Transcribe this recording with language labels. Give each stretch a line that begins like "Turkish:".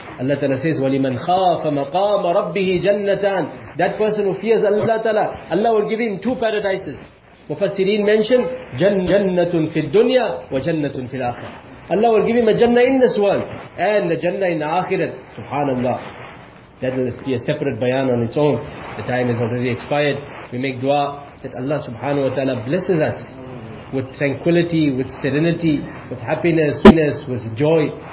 English: Allah Ta'ala says,
Arabic: وَلِمَنْ خَافَ مَقَامَ رَبِّهِ جَنَّتَانَ.
English: That person who fears Allah Ta'ala, Allah will give him two paradises. Mufassirin mention,
Arabic: جَنَّةٌ فِي الدُّنْيَا وَجَنَّةٌ فِي الْآخِرَةِ.
English: Allah will give him a Jannah in this world and a Jannah in the Akhirat. Subhanallah. That will be a separate bayan on its own. The time is already expired. We make dua that Allah subhanahu wa ta'ala blesses us with tranquility, with serenity, with happiness, sweetness, with joy.